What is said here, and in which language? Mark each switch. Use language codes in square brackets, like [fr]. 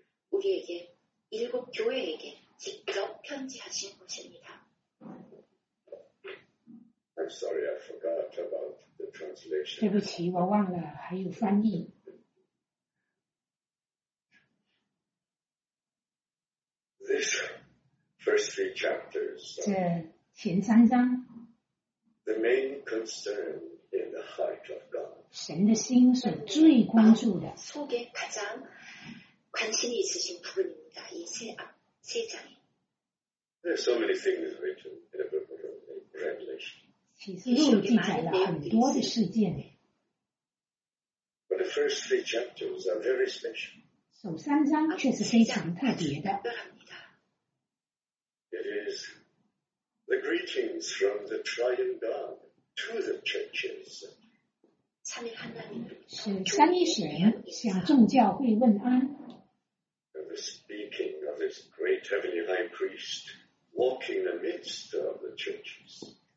[ko] 우리에게 일곱 교회에게 직접 편지하신 것입니다. [en] I'm sorry, I forgot about the translation. [zh] 对不起, 我忘了, 还有翻译。 [en] This first three chapters. [zh] 这前三章, [en] the main concern in the heart of God. [zh] 神的心所最关注的, [ko] 속에 가장 관심이 있으신 부분입니다. 이 세 장에. [en] There are so many things written in the book of Revelation. [zh] 启示录记载了很多的事件. [en] But the first three chapters are very special. [zh] 首三章却是非常特别的. [en] It is the greetings from the triune God to the churches. [zh] 三一神向众教会问安. [en] Speaking of this great heavenly high priest walking in the midst of the churches.